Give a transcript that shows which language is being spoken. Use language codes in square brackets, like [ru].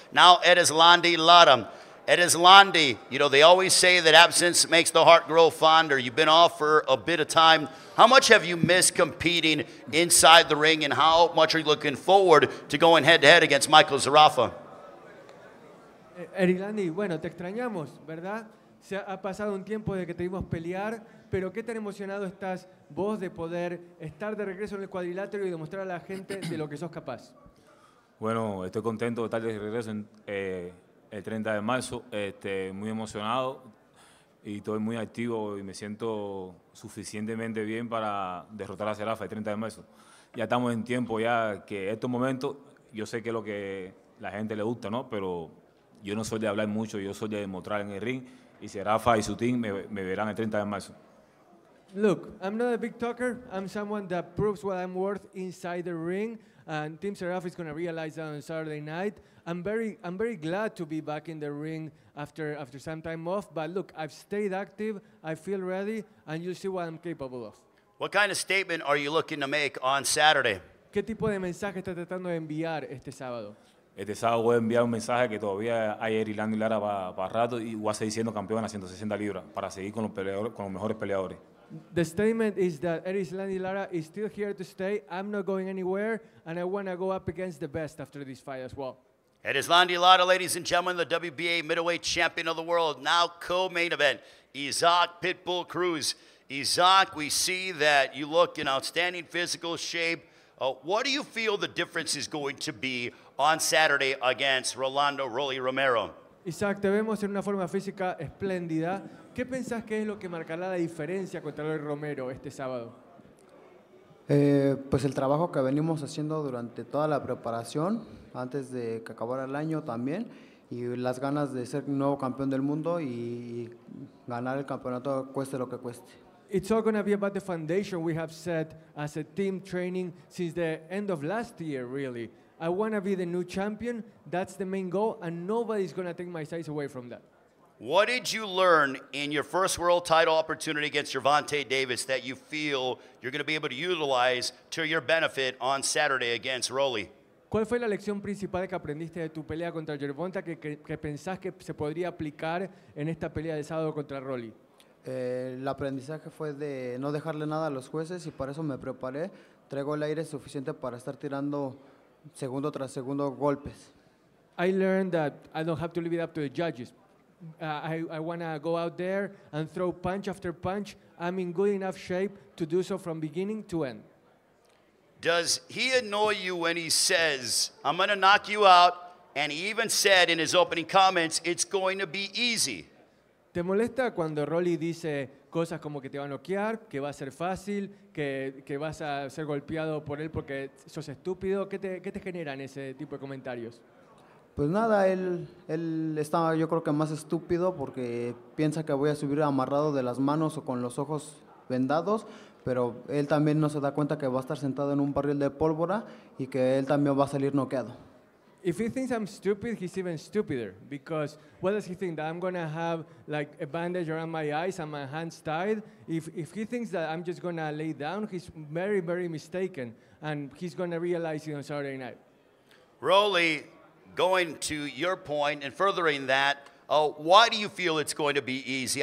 [en] Now, Edislandi Latam. Edislandi, you know, they always say that absence makes the heart grow fonder. You've been off for a bit of time. How much have you missed competing inside the ring, and how much are you looking forward to going head-to-head against Michael Zarafa? [es] Edislandi, bueno, te extrañamos, ¿verdad? Se ha pasado un tiempo de que te vimos pelear, pero qué tan emocionado estás vos de poder estar de regreso en el cuadrilátero y demostrar a la gente de lo que sos capaz. Bueno, estoy contento de estar de regreso en, el 30 de marzo. Muy emocionado y estoy muy activo y me siento suficientemente bien para derrotar a Zarafa el 30 de marzo. Ya estamos en tiempo ya que estos momentos, yo sé que es lo que la gente le gusta, ¿no? Pero yo no soy de hablar mucho, yo soy de demostrar en el ring. Y Zarafa y su team me verán el 30 de marzo. [en] Look, I'm not a big talker. I'm someone that proves what I'm worth inside the ring. And Team Zarafa is going to realize that on Saturday night. I'm very glad to be back in the ring after some time off. But look, I've stayed active. I feel ready. And you'll see what I'm capable of. What kind of statement are you looking to make on Saturday? [es] ¿Qué tipo de mensaje está tratando de enviar este sábado? Este sábado voy a enviar un mensaje que todavía hay Erilando y Lara para rato y voy a seguir siendo campeón a 160 libras para seguir con los peleadores, con los mejores peleadores. [en] The statement is that Erilando y Lara is still here to stay. I'm not going anywhere and I want to go up against the best after this fight as well. Erilando y Lara, ladies and gentlemen, the WBA middleweight champion of the world, now co-main event, Isaac Pitbull Cruz. Isaac, we see that you look in outstanding physical shape. What do you feel the difference is going to be on Saturday against Rolando Rolly Romero? [es] Isaac, te vemos en una forma física espléndida. ¿Qué pensás que es lo que marcará la diferencia contra Rolly Romero este sábado? Pues el trabajo que venimos haciendo durante toda la preparación, antes de que acabara el año también, y las ganas de ser nuevo campeón del mundo y ganar el campeonato cueste lo que cueste. [en] It's all going to be about the foundation we have set as a team training since the end of last year, really. I want to be the new champion. That's the main goal, and nobody's going to take my size away from that. What did you learn in your first world title opportunity against Gervonta Davis that you feel you're going to be able to utilize to your benefit on Saturday against Rolly? [es] ¿Cuál fue la lección principal que aprendiste de tu pelea contra Gervonta que pensás que se podría aplicar en esta pelea de sábado contra Rolly? El aprendizaje fue de no dejarle nada a los jueces, y para eso me preparé. Traigo el aire suficiente para estar tirando segundo tras segundo golpes. [en] I learned that I don't have to leave it up to the judges. I want to go out there and throw punch after punch. I'm in good enough shape to do so from beginning to end. Does he annoy you when he says, I'm going to knock you out, and he even said in his opening comments, it's going to be easy? [es] ¿Te molesta cuando Rolly dice cosas como que te va a noquear, que va a ser fácil, que vas a ser golpeado por él porque sos estúpido? ¿Qué te generan ese tipo de comentarios? Pues nada, él está, yo creo que más estúpido, porque piensa que voy a subir amarrado de las manos o con los ojos vendados, pero él también no se da cuenta que va a estar sentado en un barril de pólvora y que él también va a salir noqueado. [en] If he thinks I'm stupid, he's even stupider, because what does he think, that I'm going to have like a bandage around my eyes and my hands tied? If he thinks that I'm just going to lay down, he's very, very mistaken, and he's going to realize it on Saturday night. Rolly, going to your point and furthering that, why do you feel it's going to be easy?